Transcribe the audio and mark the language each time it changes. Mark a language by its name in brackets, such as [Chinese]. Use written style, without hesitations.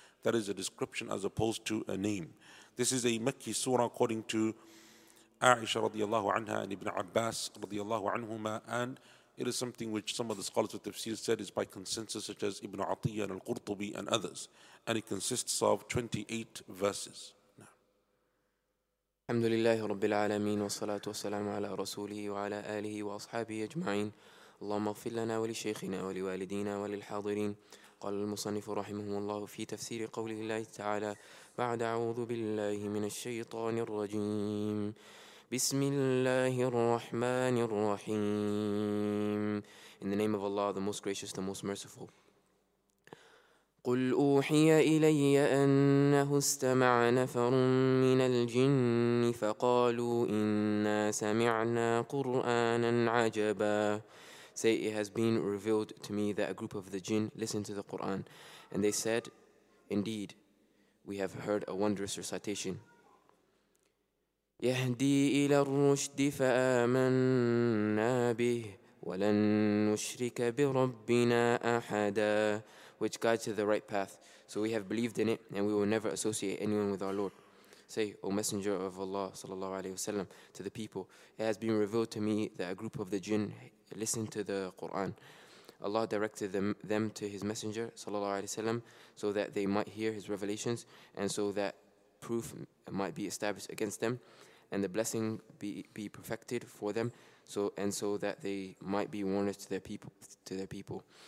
[English] That is a description as opposed to a name. This is a Makki surah according to Aisha radiallahu anha and Ibn Abbas radiallahu anhuma, and it is something which some of the scholars of tafsir said is by consensus, such as Ibn Atiyah and Al-Qurtubi and others. And it consists of 28 verses. [Arabic] الحمد لله رب العالمين والصلاة والسلام على رسوله وعلى آله وأصحابه أجمعين اللهم اغفر لنا ولشيخنا ولوالدينا وللحاضرين. قال المصنف رحمه الله في تفسير قوله الله تعالى بعد أعوذ بالله من الشيطان الرجيم بسم الله الرحمن الرحيم. [English] In the name of Allah, the most gracious, the most merciful. [Arabic] قُلْ أُوحِيَ إِلَيَّ أَنَّهُ اسْتَمَعَ نَفَرٌ مِّنَ الْجِنِّ فَقَالُوا إِنَّا سَمِعْنَا قُرْآنًا عَجَبًا. [English] Say, it has been revealed to me that a group of the jinn listened to the Qur'an, and they said, indeed, we have heard a wondrous recitation. [Arabic] يَهْدِي إِلَى الرُّشْدِ فَآمَنَّا بِهِ وَلَن نُشْرِكَ بِرَبِّنَا أَحَدًا, [English] which guides to the right path. So we have believed in it, and we will never associate anyone with our Lord. Say, O Messenger of Allah sallallahu alaihi wasallam, to the people, it has been revealed to me that a group of the jinn listened to the Qur'an. Allah directed them to his Messenger sallallahu alaihi wasallam so that they might hear his revelations, and so that proof might be established against them, and the blessing be perfected for them, so that they might be warned to their people.